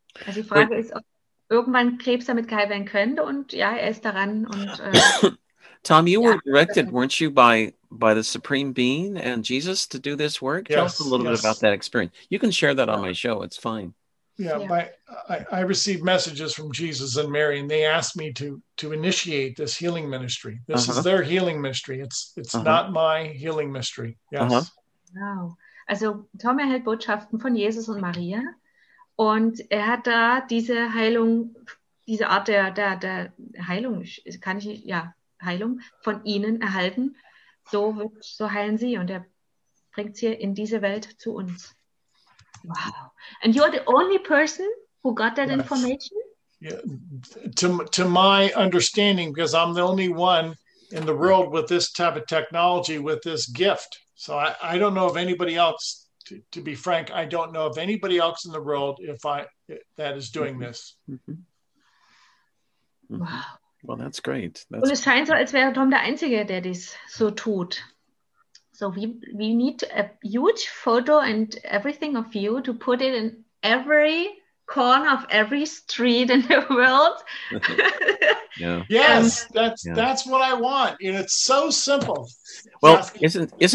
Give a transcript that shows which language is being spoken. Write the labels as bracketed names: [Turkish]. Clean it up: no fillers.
[German] Also die Frage ist, ob irgendwann Krebs damit geheilt werden könnte, und ja, er ist daran. Und, [English] Tom, you were directed, weren't you, by the Supreme Being and Jesus to do this work? Yes, tell us a little bit about that experience. You can share that on my show. It's fine. Yeah, I received messages from Jesus and Mary, and they asked me to initiate this healing ministry. This is their healing ministry. It's not my healing mystery. Yes. Wow. [German] Also Tom erhält Botschaften von Jesus und Maria, und er hat da diese Heilung, diese Art der Heilung, kann ich ja Heilung von ihnen erhalten. So heilen sie, und er bringt sie in diese Welt zu uns. [English] Wow. And you're the only person who got that information? Yeah. To my understanding, because I'm the only one in the world with this type of technology, with this gift. So I don't know of anybody else, to be frank, I don't know of anybody else in the world that is doing this. Wow. Well, that's great. [German] Und es scheint so, als wäre Tom der Einzige, der das so tut. [English] So we need a huge photo and everything of you to put it in every corner of every street in the world. Yeah. Yes, that's what I want. And it's so simple. Well, yeah. isn't